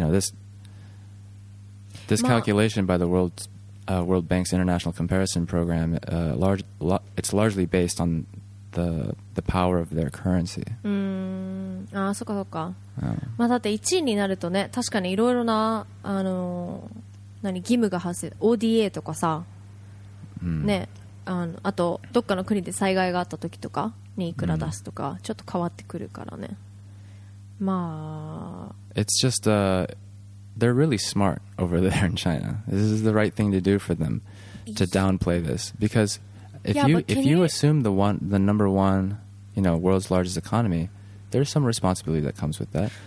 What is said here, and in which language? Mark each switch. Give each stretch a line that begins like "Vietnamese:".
English: And this calculation by the World Bank's International Comparison Program, it's largely based onThe power of their currency.
Japanese: ああ、そかそか。まあ、だって1位になるとね、確かにいろいろな、義務が発生、ODA とかさ、ね、あと、どっかの国で災害があった時とかにいくら出すとか、ちょっと変わってくるからね。まあ、
English: It's just, they're really smart over there in China. This is the right thing to do for them to downplay this because. If you assume the number one, you know, world's largest economy, there's some responsibility that comes with that.